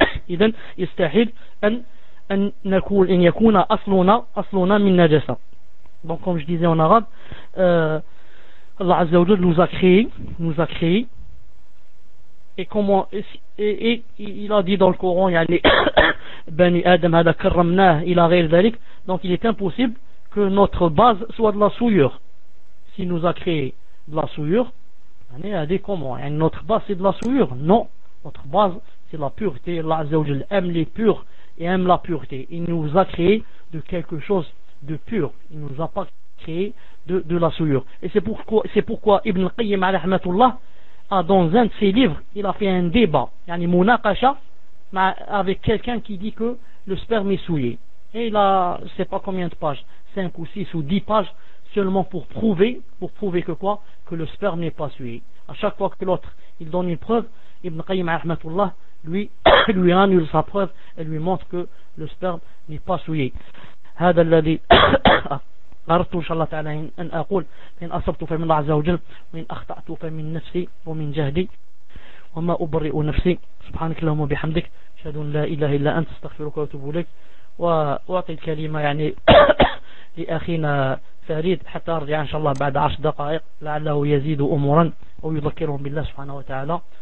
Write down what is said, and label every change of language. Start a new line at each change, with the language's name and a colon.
Arabic: إذن يستحيل أن نكون أن يكون أصلنا من نجاسة.
French: Donc comme je disais en arabe, Allah Azza wa Jalla nous a créé et il a dit dans le Coran
Arabic: yani Bani Adam hada karramna ila ghayr dhalik,
French: donc il est impossible que notre base soit de la souillure. S'il nous a créé de la souillure, yani a dit comment, yani notre base c'est de la souillure? Non, notre base c'est la pureté. Allah Azza wa Jalla aime les purs et aime la pureté. Il nous a créé de quelque chose de pur, il ne nous a pas créé de la souillure. Et c'est pourquoi Ibn Qayyim rahmatullah a dans un de ses livres, il a fait un débat yani munaqasha avec quelqu'un qui dit que le sperme est souillé, et il a je sais pas combien de pages, 5 ou 6 ou 10 pages seulement pour prouver que quoi, que le sperme n'est pas souillé. À chaque fois que l'autre il donne une preuve, Ibn Qayyim rahmatullah lui annule sa preuve et lui montre que le sperme n'est pas souillé.
Arabic: هذا الذي أردت إن شاء الله تعالى أن أقول, إن أصبت فمن الله عز وجل, وإن أخطأت فمن نفسي ومن جهدي, وما أبرئ نفسي. سبحانك اللهم وبحمدك, أشهد أن لا إله إلا أنت, استغفرك وأتوب إليك. وأعطي الكلمة يعني لأخينا فريد حتى أرجع إن شاء الله بعد 10 دقائق لعله يزيد أمورا أو يذكرهم بالله سبحانه وتعالى.